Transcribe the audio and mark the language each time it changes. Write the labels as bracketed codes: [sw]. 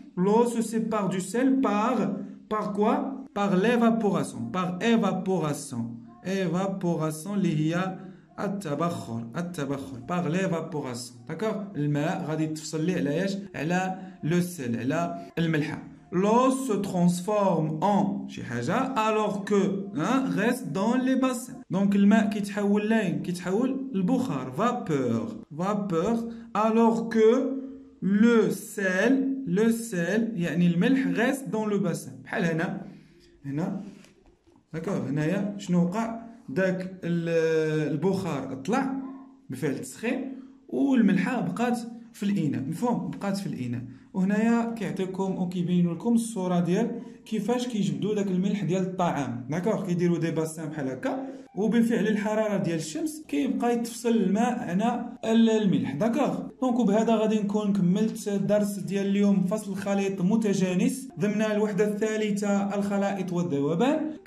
[fr] L'eau se sépare du sel par quoi? Par l'évaporation. Par évaporation. Évaporation [ar] اللي هي التبخر، التبخر باغ ليفابوراسيون، داكوغ، الماء غادي تفصل ليه على ايش؟ على لو سيل، على الملحة. [fr] L'eau se transforme en [ar] شي حاجة [fr] alors que reste dans les bassins. Donc [ar] الماء كيتحول لين كيتحول البخار [fr] vapeur vapeur alors que le sel [ar] يعني الملح [fr] reste dans le bassin. [ar] بحال هنا هنا داكوغ هنايا شنو وقع؟ داك البخار طلع بفعل التسخين والملحة بقات في الإناء، مفهوم؟ بقات في الإناء. وهنايا كيعطيكم وكيبين لكم الصورة ديال كيفاش كيجبدوا داك الملح ديال الطعام، داكوغ؟ كيديروا دي باسان بحال هكا، وبفعل الحرارة ديال الشمس كيبقى يتفصل الماء على الملح، داكوغ؟ دونك وبهذا غادي نكون كملت الدرس ديال اليوم، فصل خليط متجانس ضمن الوحدة الثالثة الخلائط والذوبان.